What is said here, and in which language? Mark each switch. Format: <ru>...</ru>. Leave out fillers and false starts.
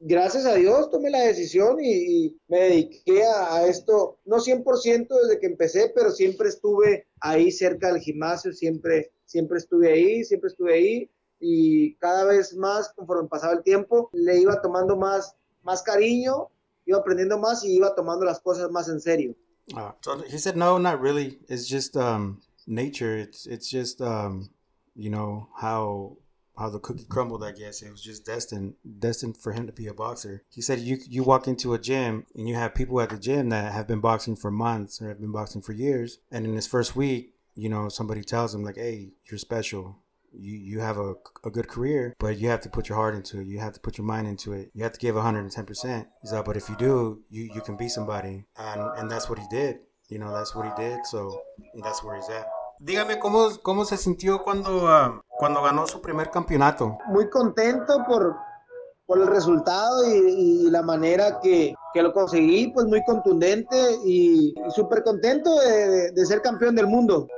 <es>Gracias a Dios tomé la decisión y me dediqué a esto, no 100% desde que empecé, pero siempre estuve ahí cerca del gimnasio, siempre, siempre estuve ahí, siempre estuve ahí. Y cada vez más, conforme pasaba el tiempo, le iba tomando más cariño, iba aprendiendo más y iba tomando las cosas más en serio.</es> <en>So he said, no, not really. It's just nature. It's just how the cookie crumbled, I guess. It was just destined for him to be a boxer. He said, you walk into a gym and you have people at the gym that have been boxing for months or have been boxing for years, and in his first week, somebody tells him like, hey, you're special. You have a good career, but you have to put your heart into it. You have to put your mind into it. You have to give 110%. He's like, but if you do, you can be somebody. And that's what he did. That's what he did. So that's where he's at.</en> <es>Dígame, ¿cómo se sintió cuando ganó su primer campeonato? Muy contento por el resultado y la manera que lo conseguí, pues muy contundente y súper contento de ser campeón del mundo.</es>